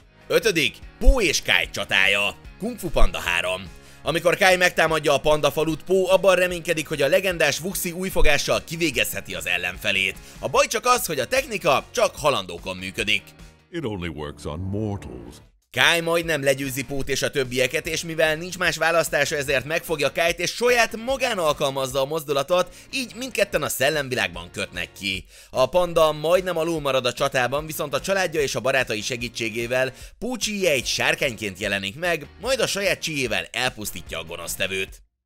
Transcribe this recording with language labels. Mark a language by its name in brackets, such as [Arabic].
[Hungarian] Ötödik, Po és Kai csatája. Kung Fu Panda 3. Amikor Kai megtámadja a panda falut, Po abban reménykedik, hogy a legendás Wuxi újfogással kivégezheti az ellenfelét. A baj csak az, hogy a technika csak halandókon működik. [English] It only works on mortals. [Hungarian] Kai majdnem legyőzi Pót és a többieket, és mivel nincs más választása, ezért megfogja Kait és saját magán alkalmazza a mozdulatot, így mindketten a szellemvilágban kötnek ki. A panda majdnem alul marad a csatában, viszont a családja és a barátai segítségével Pó Csíje egy sárkányként jelenik meg, majd a saját csíjével elpusztítja a gonosztevőt.